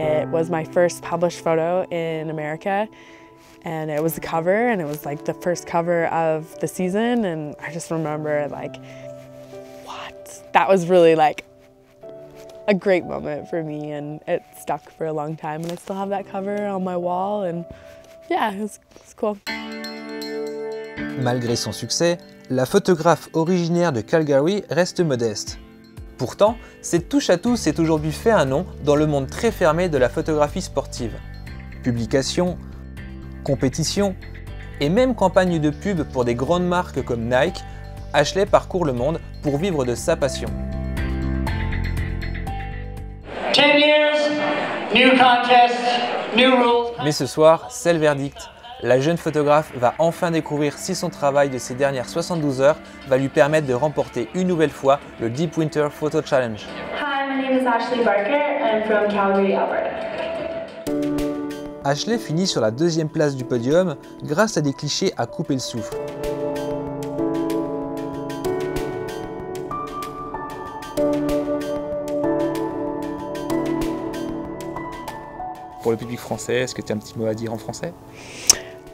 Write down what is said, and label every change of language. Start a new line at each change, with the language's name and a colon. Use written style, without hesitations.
English: was my first published photo in America. And it was the cover, and it was like the first cover of the season. And I just remember like, what? That was really like a great moment for me. And it stuck for a long time. And I still have that cover on my wall. And yeah, it's cool.
French: Malgré son succès, la photographe originaire de Calgary reste modeste. Pourtant, cette touche à tout s'est aujourd'hui fait un nom dans le monde très fermé de la photographie sportive. Publications, compétitions et même campagnes de pub pour des grandes marques comme Nike, Ashley parcourt le monde pour vivre de sa passion.
English: 10 years, new contest, new rules.
French: Mais ce soir, c'est le verdict. La jeune photographe va enfin découvrir si son travail de ces dernières 72 heures va lui permettre de remporter une nouvelle fois le Deep Winter Photo Challenge.
English: Hi, my name is Ashley Barker, I'm from Calgary, Alberta.
French: Ashley finit sur la deuxième place du podium grâce à des clichés à couper le souffle. Pour le public français, est-ce que tu as un petit mot à dire en français ?